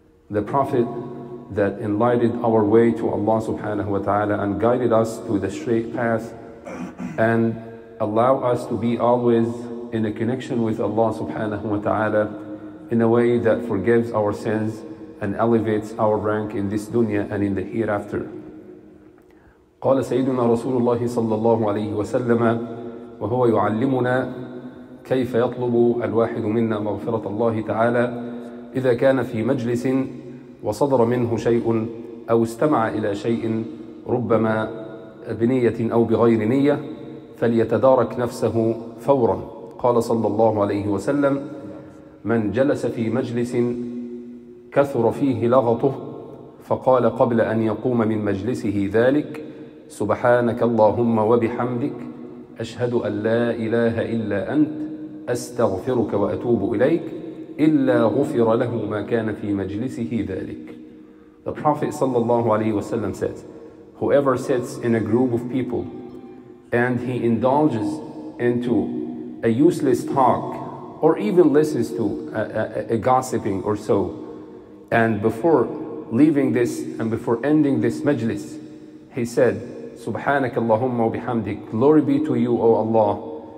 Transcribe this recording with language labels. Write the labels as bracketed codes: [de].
[en] The Prophet that enlightened our way to Allah subhanahu wa ta'ala and guided us to the straight path and allow us to be always in a connection with Allah subhanahu wa ta'ala in a way that forgives our sins and elevates our rank in this dunya and in the hereafter. [ar] قال سيدنا رسول الله صلى الله عليه وسلم وهو يعلمنا كيف يطلب الواحد منا مغفرة الله تعالى إذا كان في مجلس وصدر منه شيء أو استمع إلى شيء ربما بنية أو بغير نية فليتدارك نفسه فورا. قال صلى الله عليه وسلم من جلس في مجلس كثر فيه لغطه فقال قبل أن يقوم من مجلسه ذلك سبحانك اللهم وبحمدك أشهد أن لا إله إلا أنت أستغفرك وأتوب إليك إلا غفر له ما كان في مجلسه ذلك. [en] The Prophet صلى الله عليه وسلم says, whoever sits in a group of people and he indulges into a useless talk or even listens to a gossiping or so, and before leaving this and before ending this majlis, he said, [ar] Subhanak Allahumma bihamdik, [en] glory be to you, O Allah.